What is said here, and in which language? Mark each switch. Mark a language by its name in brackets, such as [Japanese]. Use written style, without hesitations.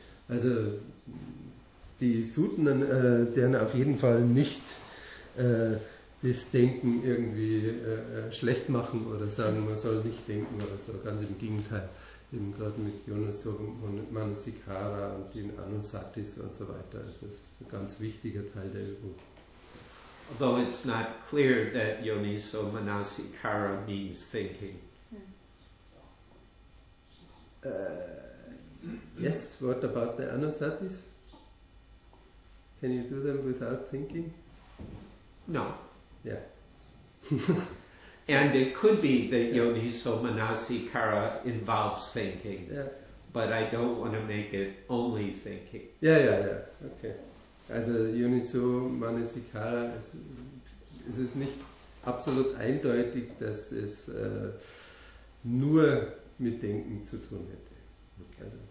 [German] Also die Sutten, deren auf jeden Fall nicht das Denken irgendwie schlecht machen oder sagen, man soll nicht denken oder so. Ganz im Gegenteil. Eben gerade mit Jonas Soman, Manasikara und den Anusatis und so weiter. Also das ist ein ganz wichtiger Teil der Übung. [English] Although it's not clear that Yoniso Manasikara means thinking. Yes, what about the anusatis? Can you do them without thinking? No. Yeah. And it could be that Yoniso Manasikara involves thinking. Yeah. But I don't want to make it only thinking. Yeah. Okay. [German] Also Yoniso Manasikara, es ist nicht absolut eindeutig, dass es nur mit Denken zu tun hat.